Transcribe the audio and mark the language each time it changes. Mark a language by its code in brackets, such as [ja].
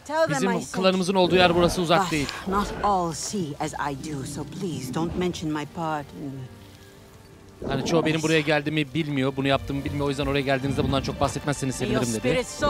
[tr] Bizim klanımızın olduğu yer burası, uzak değil. [en] Not all see as I do, so please don't mention my part in... [tr] Hani çoğu benim buraya geldiğimi bilmiyor, bunu yaptığımı bilmiyor. O yüzden oraya geldiğinizde bundan çok bahsetmezseniz sevinirim dedi.